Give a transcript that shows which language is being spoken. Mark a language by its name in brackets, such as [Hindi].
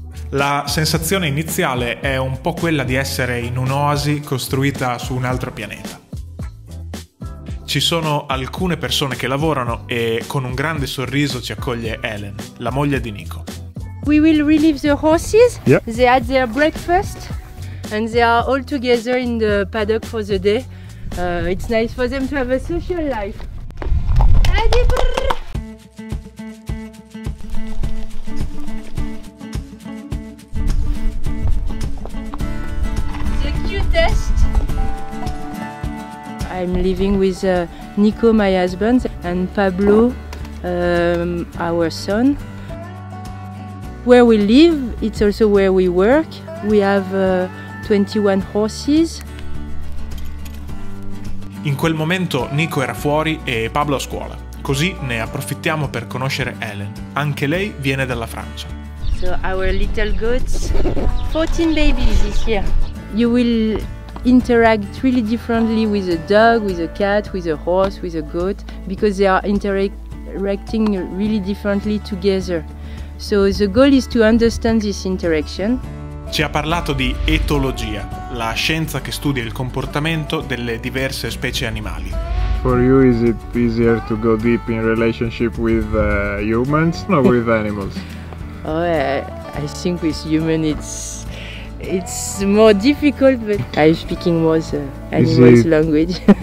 [Italian] La sensazione iniziale è un po' quella di essere in un'oasi costruita su un altro pianeta. Ci sono alcune persone che lavorano e con un grande sorriso ci accoglie Helen, la moglie di Nico. [English] We will relieve the horses. Yeah. They had their breakfast and they are all together in the paddock for the day. It's nice for them to have a social life. Ready, brrr. The cutest. I'm living with Nico, my husband, and Pablo, our son. Where we live, it's also where we work. We have 21 horses. [Italian] In quel momento Nico era fuori e Pablo a scuola. Così ne approfittiamo per conoscere Helen. Anche lei viene dalla Francia. [English] So our little goats, 14 babies this year. You will interact really differently with a dog, with a cat, with a horse, with a goat, because they are interacting really differently together. So the goal is to understand this interaction. [Italian] Ci ha parlato di etologia, la scienza che studia il comportamento delle diverse specie animali. [English] For you is it easier to go deep in relationship with humans or with animals? Oh, I think with humans it's more difficult, but I'm speaking more the animals language.